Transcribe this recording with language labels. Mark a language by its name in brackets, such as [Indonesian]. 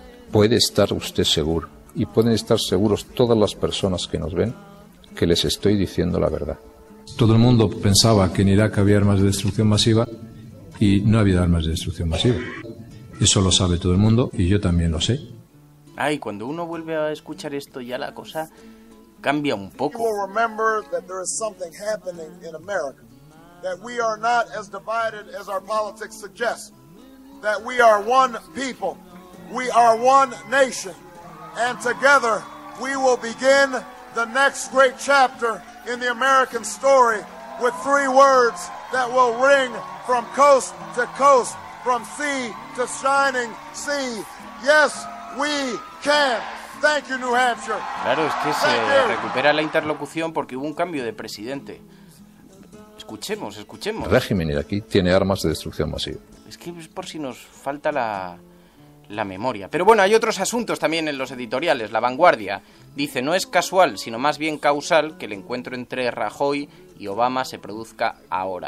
[Spanish] Puede estar usted seguro. Y pueden estar seguros todas las personas que nos ven que les estoy diciendo la verdad. Todo el mundo pensaba que en Irak había armas de destrucción masiva y no había armas de destrucción masiva. Eso lo sabe todo el mundo y yo también lo sé. Ay, cuando uno vuelve a escuchar esto ya la cosa cambia un poco. [English] You will remember that there is something happening in America. That we are not as divided as our politics suggest. That we are one people. We are one nation. And together we will begin the next great chapter in the American story with three words that will ring from coast to coast, from sea to shining sea. Yes, we can. Thank you, New Hampshire. [Spanish] Claro, es que se recupera la interlocución porque hubo un cambio de presidente. Escuchemos. El régimen iraquí tiene armas de destrucción masiva. Es que es por si nos falta la memoria. Pero bueno, hay otros asuntos también en los editoriales. La Vanguardia dice: no es casual, sino más bien causal, que el encuentro entre Rajoy y Obama se produzca ahora.